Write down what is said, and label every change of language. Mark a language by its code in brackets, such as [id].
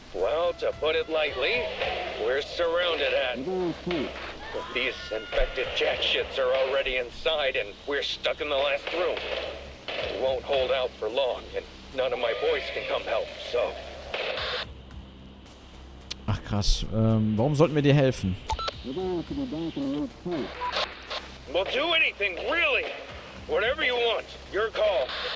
[en] Well, to put it lightly, we're surrounded at. These infected jackshits are already inside, and we're stuck in the last room. We won't hold out for long, and none of my boys can come help, so. [de] Ach krass, warum sollten wir dir helfen? [en] We'll do anything, really! Whatever you want, your call.